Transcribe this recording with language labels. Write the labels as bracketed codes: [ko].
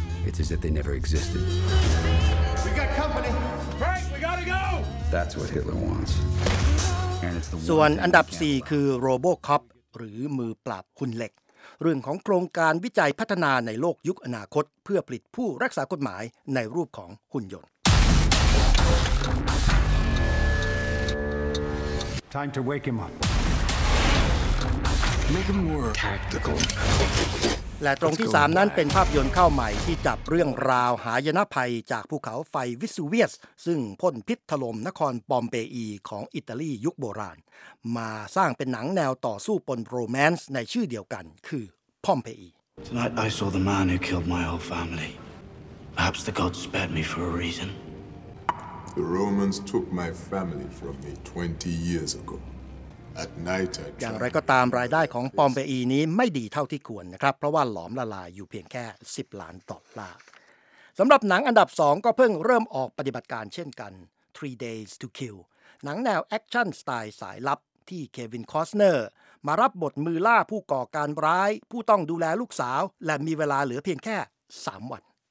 [en] It's as if they never existed. We got company. Frank, we gotta go. That's what Hitler wants. And it's the one. [th] ส่วนอันดับ4คือ RoboCop หรือมือปราบหุ่นเหล็กเรื่องของโครงการวิจัยพัฒนาในโลกยุคอนาคตเพื่อผลิตผู้รักษากฎหมายในรูปของหุ่นยนต์ [en] Time to wake him up. [th] และตรงที่3นั้นเป็นภาพยนตร์เข้าใหม่ที่จับเรื่องราวหายนะภัยจากภูเขาไฟวิสูเวียสซึ่งพ่นพิษถล่มนครปอมเปอีของอิตาลียุคโบราณมาสร้างเป็นหนังแนวต่อสู้ปนโรแมนส์ในชื่อเดียวกันคือพอมเปอี [en] Tonight I saw the man who killed my whole family. Perhaps the gods spared me for a reason. The Romans took my family from me 20 years ago. [th] อย่างไรก็ตามรายได้ของปอมเปอีนี้ไม่ดีเท่าที่ควรนะครับเพราะว่าหลอมละลายอยู่เพียงแค่10ล้านดอลลาร์สำหรับหนังอันดับ2ก็เพิ่งเริ่มออกปฏิบัติการเช่นกัน Three Days to Kill หนังแนวแอคชั่นสไตล์สายลับที่เควินคอสเนอร์มารับบทมือล่าผู้ก่อการร้ายผู้ต้องดูแลลูกสาวและมีเวลาเหลือเพียงแค่3วัน